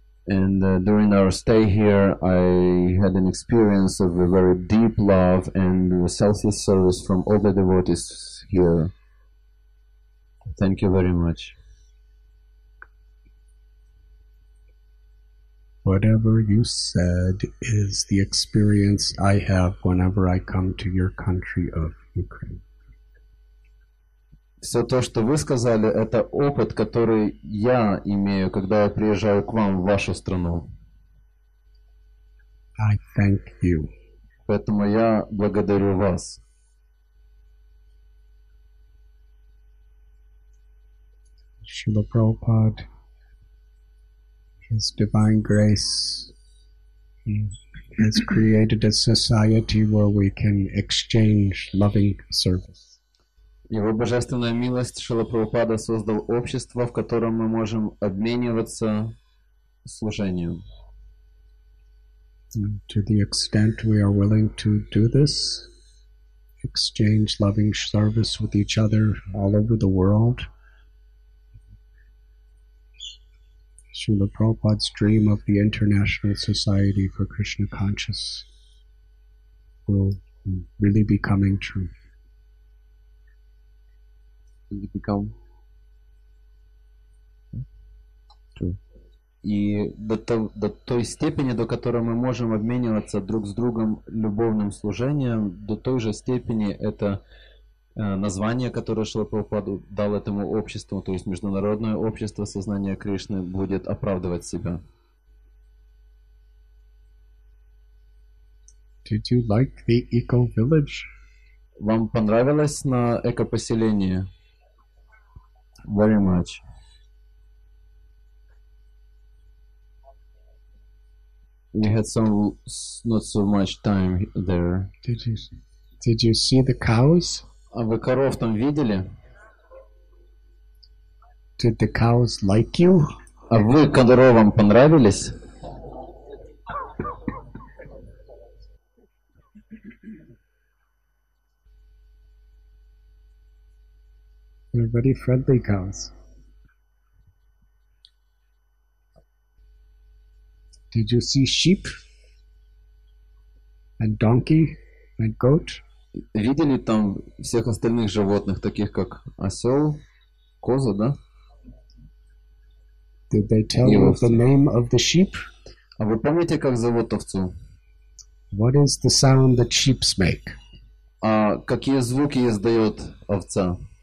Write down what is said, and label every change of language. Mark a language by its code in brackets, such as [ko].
[en] And during our stay here, I had an experience of a very deep love and selfless service from all the devotees here. Thank you very much. Whatever you said is the experience I have whenever I come to your country of Ukraine. [ru] Все то, что вы сказали, это опыт, который я имею, когда я приезжаю к вам в вашу страну. [en] I thank you. [ru] Поэтому я благодарю вас. [en] Шрила Прабхупад, His divine grace, has created a society where we can exchange loving service. [ru] Его божественная милость, Шрила Прабхупада, создал общество, в котором мы можем обмениваться служением. [en] To the extent we are willing to do this, exchange loving service with each other all over the world, Шрила Прабхупада's dream of the International Society for Krishna Conscious will really be coming true. Become [ru] И до той степени, до которой мы можем обмениваться друг с другом любовным служением, до той же степени это название, которое Шрила Прабхупада дал этому обществу, то есть международное общество сознания Кришны, будет оправдывать себя. [en] Did you like the eco-village? [ru] Вам понравилось на эко-поселение? [en] Very much. We had some not so much time there. Did you see the cows? [ru] А вы коров там видели? [en] Did the cows like you? [ru] А вы коровам понравились? [en] They're very friendly cows. Did you see sheep and donkey and goat? [ru] Видели там всех остальных животных, таких как осел, коза, да? [en] Did they tell you the name of the sheep? [ru] А вы помните, как зовут овцу? [en] What is the sound that sheep make? [ru] А какие звуки издает овца?